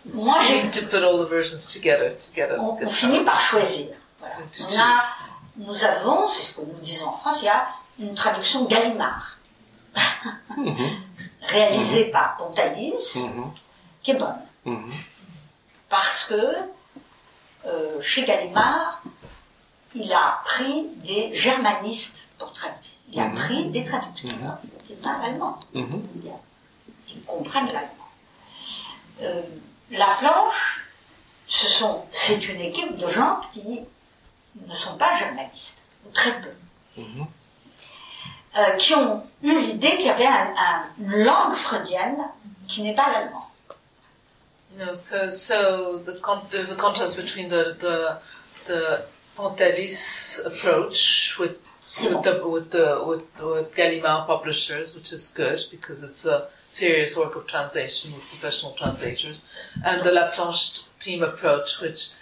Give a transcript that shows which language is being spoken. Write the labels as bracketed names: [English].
[French] Moi, j'ai [English] need to put all the versions together. [French] On finit par choisir. Voilà. Nous avons, c'est ce que nous disons en France, il y a une traduction Gallimard, réalisée par Pontalis, qui est bonne. Parce que chez Gallimard, il a pris des germanistes pour traduire. Il a pris des traducteurs, qui parlent allemand, qui comprennent l'allemand. La planche, c'est une équipe de gens qui ne sont pas journalistes, ou très peu, qui ont eu l'idée qu'il y avait une langue freudienne qui n'est pas l'allemand. [English] There's a contrast between the Pontalis approach with Gallimard publishers, which is good because it's a serious work of translation with professional translators, and the La Planche team approach, which